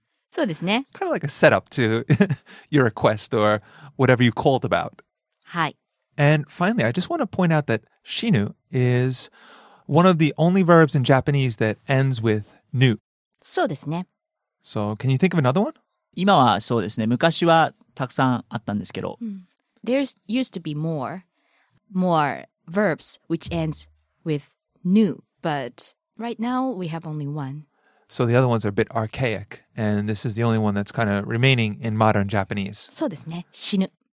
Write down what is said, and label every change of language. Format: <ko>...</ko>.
<ja>そうですね。</ja> <en>Kind of like a setup to your request or whatever you called about.</en> <ja>はい。</ja> <en>And finally, I just want to point out that 死ぬ is one of the only verbs in Japanese that ends with nu.</en> <ja>そうですね。</ja> <en>So, can you think of another one?</en> <ja>今はそうですね。昔はたくさんあったんですけど。</ja> <en>There used to be more verbs which ends with nu, but right now we have only one. So the other ones are a bit archaic, and this is the only one that's kind of remaining in modern Japanese.</en> <ja>そうですね。死ぬ。</ja>